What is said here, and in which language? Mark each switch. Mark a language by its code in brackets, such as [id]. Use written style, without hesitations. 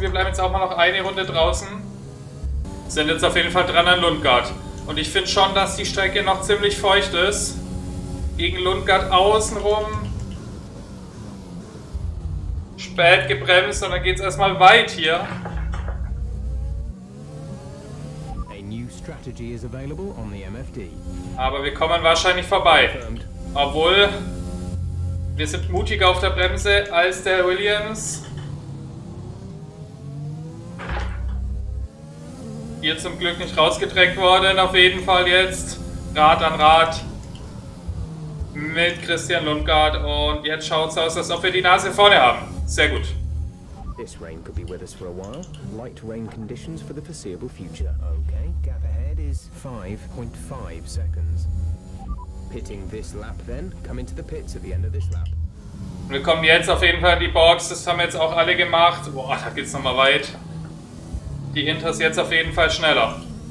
[de] Wir bleiben jetzt auch mal noch eine Runde draußen. Sind jetzt auf jeden Fall dran an Lundgren. Und ich finde schon, dass die Strecke noch ziemlich feucht ist. Gegen Lundgren außenrum. Spät gebremst und dann geht es erstmal weit hier. [en] new strategy is available on the MFD. [de] Aber wir kommen wahrscheinlich vorbei. Obwohl, wir sind mutiger auf der Bremse als der Williams. Hier zum Glück nicht rausgedreckt worden, auf jeden Fall jetzt. Rad an Rad. Mit Christian Lundgaard und jetzt schaut's aus, als ob wir die Nase vorne haben. Sehr gut. [en] This rain could be with us for a while. Light rain conditions for the foreseeable future. Okay, gap ahead is 5.5 seconds. Pitting this lap then, come into the pits at the end of this lap. [de] Wir kommen jetzt auf jeden Fall in die Box, das haben jetzt auch alle gemacht. Boah, da geht's nochmal weit. Die Hinter ist jetzt auf jeden Fall schneller.